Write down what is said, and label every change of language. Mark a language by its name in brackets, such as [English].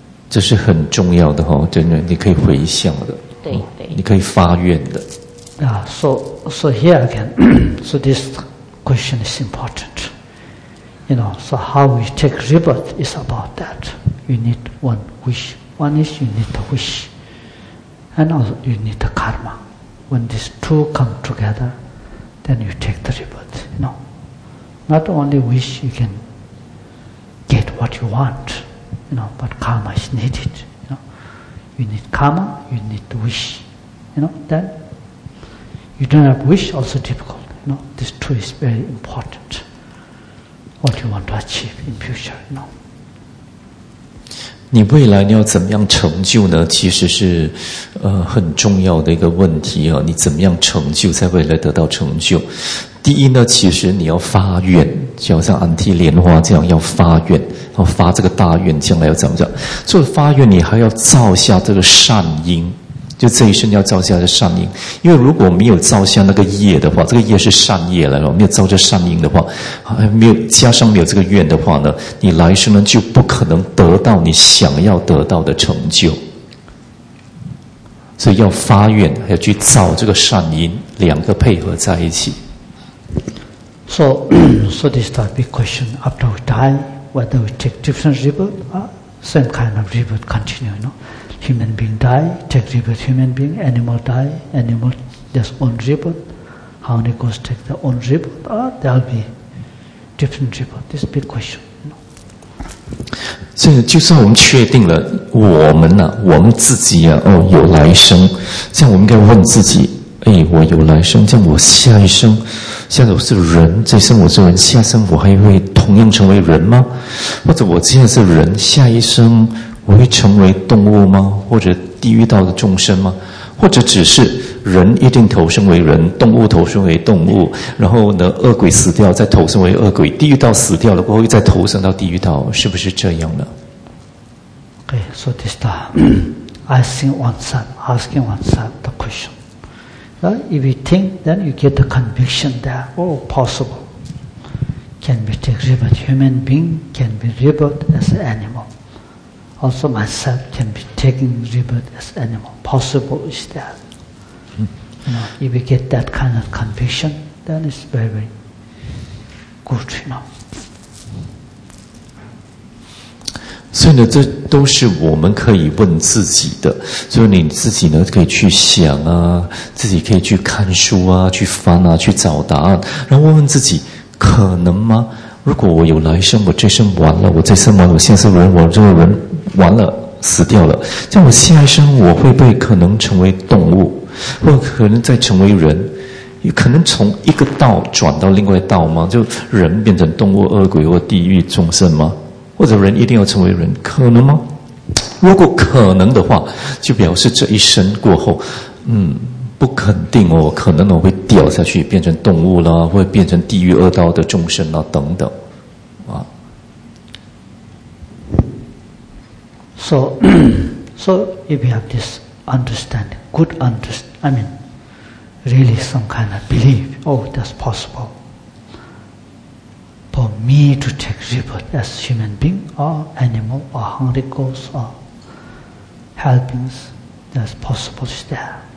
[Chinese] 这是很重要的，真的，你可以回向的，你可以发愿的。 [English] Yeah, so here again, so this question is important. You know, so how we take rebirth is about that. You need one wish. One is you need the wish. And also you need the karma. When these two come together, then you take the rebirth, you know. Not only wish you can get what you want, you know, but karma is needed, you know. you need karma, you need to wish. You know, that you don't have wish, also difficult. You know, these two is very important. What you want to achieve in future, you know. [Chinese] 你未来你要怎么样成就呢？其实是很重要的一个问题啊。你怎么样成就，在未来得到成就？第一呢，其实你要发愿，就好像安提莲花这样要发愿，然后发这个大愿，将来要怎么讲？做发愿，你还要造下这个善因，就这一生要造下的善因。因为如果没有造下那个业的话，这个业是善业来了，没有造这善因的话，没有加上没有这个愿的话呢，你来生呢就不可能得到你想要得到的成就。所以要发愿，还要去造这个善因，两个配合在一起。 [English] So this is the big question. After we die, whether we take different rebirth, same kind of rebirth continue, you know. Human being die, take rebirth human being, animal die, animal just own rebirth. How many ghosts take their own rebirth? There will be different rebirth. This is a big question, you know. [Chinese] 所以就算我们确定了我们呢、啊、我们自己啊、哦、有来生，这样我们应该问自己，哎，我有来生，这样我下一生，下一生我是人，这生我是人，下生我还会同样成为人吗？或者我现在是人，下一生我会成为动物吗？或者地狱道的众生吗？或者只是人一定投生为人，动物投生为动物，然后呢，恶鬼死掉再投生为恶鬼，地狱道死掉了过后又再投生到地狱道，是不是这样呢？ [English] Okay, so this time, I think asking oneself the question. If you think, then you get the conviction that, oh, possible. Can be take rebirth human being, can be rebirth as an animal. Also myself can be taking rebirth as an animal. Possible is that. You know, if you get that kind of conviction, then it's very, very good, you know. [Chinese] 所以呢，这都是我们可以问自己的。所以你自己呢，可以去想啊，自己可以去看书啊，去翻啊，去找答案，然后问问自己，可能吗？如果我有来生，我这生完了，我这生完了，我现在是人，我这个人完了，死掉了，这样我下一生我会不会可能成为动物，或可能再成为人？有可能从一个道转到另外一道吗？就人变成动物、恶鬼或地狱众生吗？或者人一定要成为人，可能吗？如果可能的话，就表示这一生过后，不肯定哦，可能我会掉下去，变成动物啦，或者变成地狱恶道的众生啦，等等，啊。 [English] So if you have this understanding, good understand, I mean, really some kind of belief, oh, that's possible. For me to take rebirth as human being, or animal, or hungry ghost, or helpings, that's possible is there.